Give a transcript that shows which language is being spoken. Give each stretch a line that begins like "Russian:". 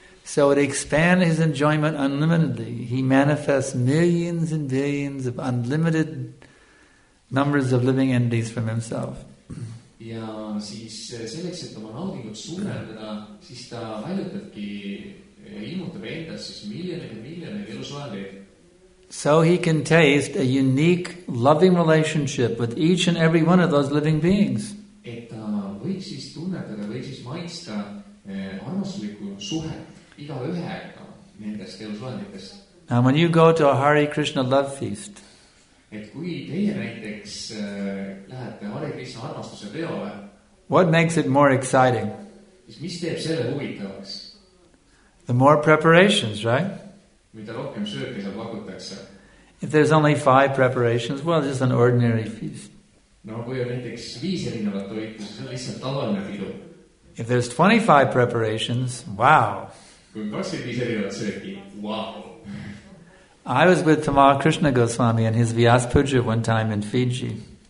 English: So it expands his enjoyment unlimitedly. He manifests millions and billions of unlimited numbers of living entities from himself.
Estonian: Ja siis selleks, et oma naudingud suurendada, siis ta väljutabki, ilmutab endas siis miljoneid ja miljoneid elusolendeid.
English: So he can taste a unique loving relationship with each and every one of those living beings.
Estonian: Et ta võiks siis tunnetada, võiks siis maitsta armasliku suhet iga ühega nendest elusolenditest.
English: Now when you go to a Hare Krishna love feast,
Estonian: et kui teie näiteks lähete Hare Krishna armastuse peole,
English: what makes it more exciting?
Estonian: Mis teeb selle huvitavaks?
English: The more preparations, right?
Estonian: Mida rohkem sööki seal pakutakse.
English: If there's only 5 preparations, well, just an ordinary feast.
Estonian: No kui on näiteks 5 erinevat toitu, siis on lihtsalt tavaline pidu.
English: If there's 25 preparations, wow.
Estonian: Kui 25 erinevat sööki, wow.
English: I was with Tamal Krishna Goswami and his Vyas Puja one time in Fiji.